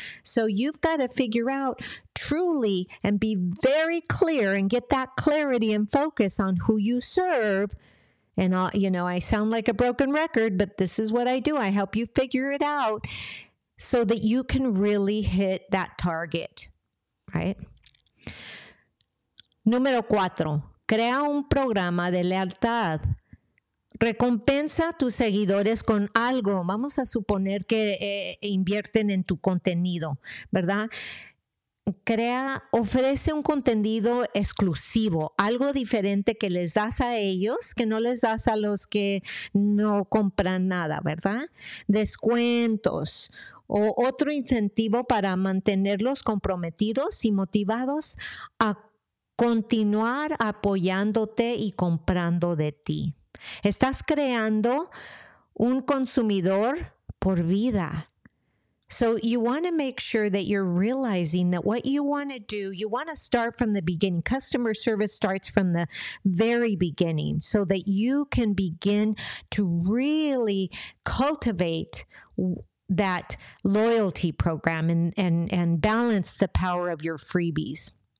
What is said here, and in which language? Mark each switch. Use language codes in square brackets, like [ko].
[en] So you've got to figure out truly and be very clear and get that clarity and focus on who you serve. And I sound like a broken record, but this is what I do. I help you figure it out so that you can really hit that target, right? [es] Número cuatro, crea un programa de lealtad. Recompensa a tus seguidores con algo. Vamos a suponer que invierten en tu contenido, ¿verdad? Ofrece un contenido exclusivo, algo diferente que les das a ellos, que no les das a los que no compran nada, ¿verdad? Descuentos o otro incentivo para mantenerlos comprometidos y motivados a continuar apoyándote y comprando de ti. Estás creando un consumidor por vida. [en] So you want to make sure that you're realizing that what you want to do, you want to start from the beginning. Customer service starts from the very beginning so that you can begin to really cultivate that loyalty program and balance the power of your freebies.